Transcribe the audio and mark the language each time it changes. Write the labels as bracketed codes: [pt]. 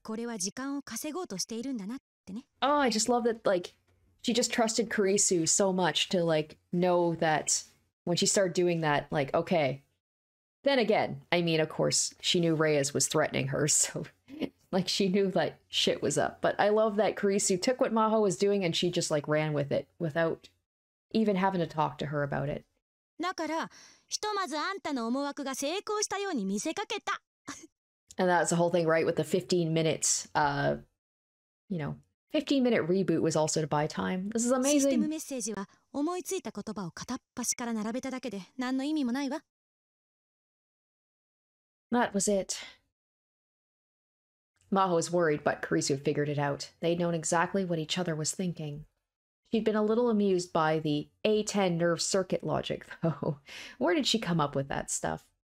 [en] Oh, I just love that, like, she just trusted Kirisu so much to, like, know that when she started doing that, like, okay. Then again, I mean, of course, she knew Reyes was threatening her, so, like, she knew that shit was up. But I love that Kirisu took what Maho was doing and she just, like, ran with it without... even having to talk to her about it. [ja] だから、ひとまずあんたの思惑が成功したように見せかけた。 [en] And that's the whole thing, right? With the 15 minutes, you know, 15 minute reboot was also to buy time. This is amazing. [ja] システムメッセージは思いついた言葉を片っ端から並べただけで何の意味もないわ。 [en] That was it. Maho was worried, but Kirisu figured it out. They'd known exactly what each other was thinking. She'd been a little amused by the A10 nerve circuit logic, though. Where did she come up with that stuff?